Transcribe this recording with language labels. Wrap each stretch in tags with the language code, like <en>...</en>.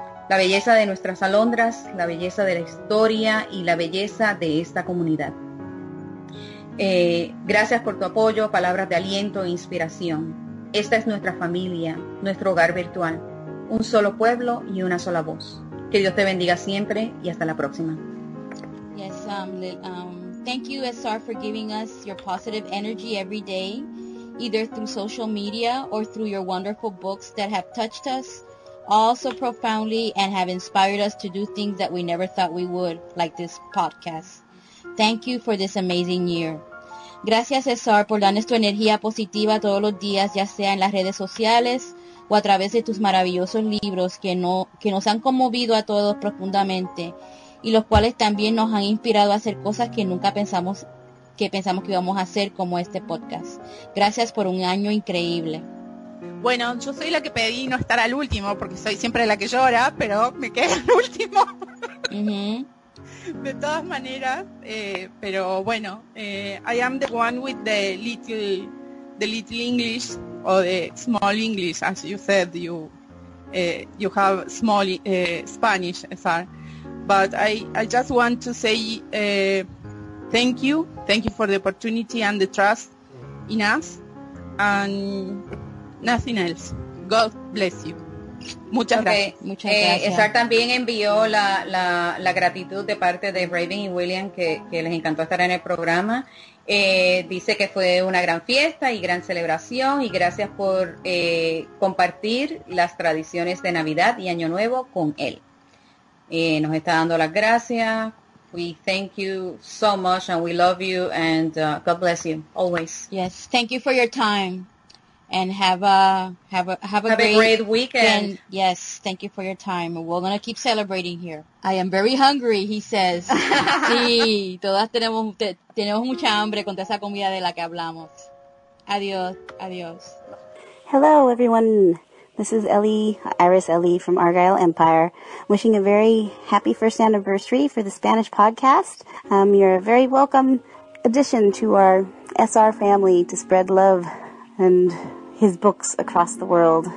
<es>La belleza de nuestras Alondras, la belleza de la historia y la belleza de esta comunidad. Gracias por tu apoyo, palabras de aliento e inspiración. Esta es nuestra familia, nuestro hogar virtual. Un solo pueblo y una sola voz. Que Dios te bendiga siempre y hasta la próxima.</es> <en>Yes, thank you, SR, for giving us your positive energy every day, either through social media or through your wonderful books that have touched us all so profoundly and have inspired us to do things that we never thought we would, like this podcast. Thank you for this amazing year.</en> <es>Gracias, SR, por darnos tu energía positiva todos los días, ya sea en las redes sociales o a través de tus maravillosos libros que nos han conmovido a todos profundamente y los cuales también nos han inspirado a hacer cosas que nunca pensamos que íbamos a hacer, como este podcast. Gracias por un año increíble. Bueno, yo soy la que pedí no estar al último, porque soy siempre la que llora, pero me quedé al último. Uh-huh. De todas maneras, pero bueno,</es> <en>I am the one with the little English, or the small English, as you said, you have small Spanish, SR. But I just want to say thank you for the opportunity and the trust in us, and nothing else. God bless you.</en> <es>Muchas gracias. Muchas gracias. SR también envió la gratitud de parte de Raven y William, que les encantó estar en el programa. Dice que fue una gran fiesta y gran celebración, y gracias por compartir las tradiciones de Navidad y Año Nuevo con él. Nos está dando las gracias.</es> <en>We thank you so much and we love you and God bless you always. Yes, thank you for your time and have a great weekend. And yes, thank you for your time. We're going to keep celebrating here. I am very hungry, he says.</en> <es>Sí, todas tenemos mucha hambre con toda esa comida de la que hablamos. Adiós, adiós.</es> <en>Hello, everyone. This is Ellie, Iris Ellie from Argyle Empire, wishing a very happy first anniversary for the Spanish podcast. You're a very welcome addition to our SR family to spread love and his books across the world.</en>